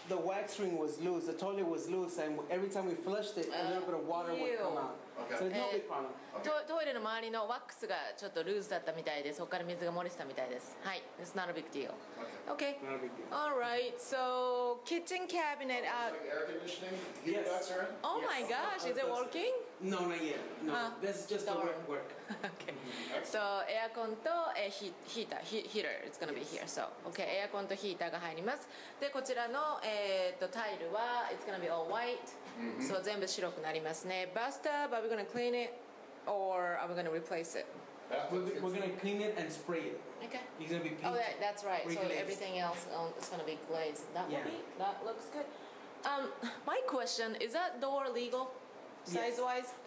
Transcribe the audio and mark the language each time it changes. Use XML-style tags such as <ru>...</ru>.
<en>The wax ring was loose, the toilet was loose, and every time we flushed it, a little bit of water would come out. Okay. So no big problem. Okay.</en> <ja>トイレの周りのワックスがちょっとルーズだったみたいで、そこから水が漏れてたみたいです。</ja> <en>はい、it's not a big deal. Okay. Okay. Not a big deal. All right. So kitchen cabinet. Air conditioning. Yes. Oh my gosh, is it working? No, not yet. No, this is just the work. Okay. So</en> <ja>エアコンとヒーター、ヒーター、</ja> <en>it's gonna be here. So okay,</en> <ja>エアコンとヒーターが入ります。でこちらのタイルは</ja> <en>it's gonna be all white. So</en> <ja>全部白くなりますね。</ja> <en>Bathtub. Are we going to clean it or are we going to replace it? We're going to clean it and spray it. Okay. It's going to be painted. Oh, yeah, that's right. So everything else is going to be glazed. That will be. That looks good. My question, is that door legal size-wise?</en>